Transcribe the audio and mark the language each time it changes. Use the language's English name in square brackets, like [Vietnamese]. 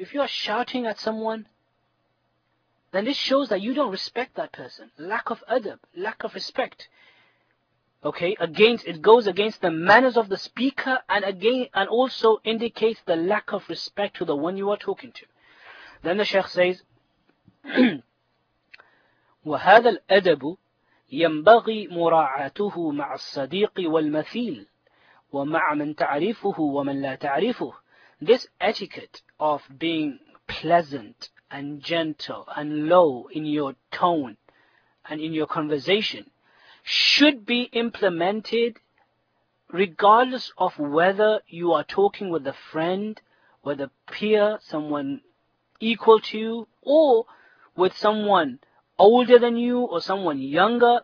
[English] If you are shouting at someone, then this shows that you don't respect that person. Lack of adab, lack of respect. Okay, against, it goes against the manners of the speaker and again, and also indicates the lack of respect to the one you are talking to. Then the Shaykh says, [Arabic] وَهَذَا الْأَدَبُ يَنْبَغِي مُرَاعَتُهُ مَعَ الصَّدِيقِ وَالْمَثِيلِ وَمَعَ مَنْ تَعْرِفُهُ وَمَنْ لَا تَعْرِفُهُ. [English] This etiquette of being pleasant and gentle and low in your tone and in your conversation should be implemented regardless of whether you are talking with a friend, with a peer, someone equal to you, or with someone older than you or someone younger.